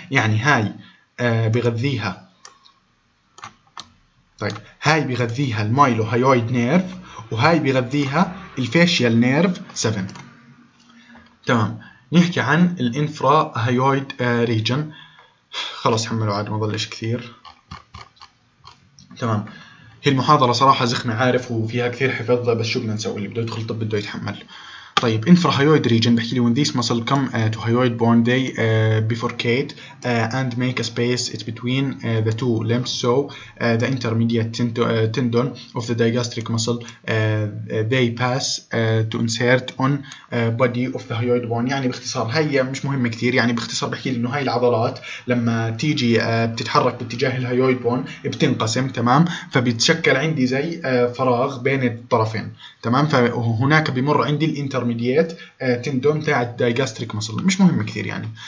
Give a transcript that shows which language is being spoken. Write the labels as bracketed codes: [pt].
[ar] يعني هاي بيغذيها طيب هاي بيغذيها المايلو هايويد نيرف وهاي بيغذيها الفيشل نيرف 7 تمام. نحكي عن الانفرا هايويد ريجن، خلاص حملوا عاد ما ضلش كثير تمام. هي المحاضرة صراحة زخمة عارف وفيها كثير حفظ بس شو بدنا نسوي، اللي بده يدخل طب بده يتحمل. طيب انفرا هايويد ريجن بحكي لي [en] when this muscle come to hyoid bone they bifurcate and make a space it between the two limbs so the intermediate tendon of the digastric muscle they pass to insert on body of the hyoid bone. [ar] يعني باختصار هي مش مهمة كثير، يعني باختصار بحكي لي انه هاي العضلات لما تيجي بتتحرك باتجاه الهيويد بون بتنقسم تمام، فبيتشكل عندي زي فراغ بين الطرفين تمام، فهناك بيمر عندي الانترميديات تندون تاعة الدايجاستريك مصل مش مهم كثير يعني.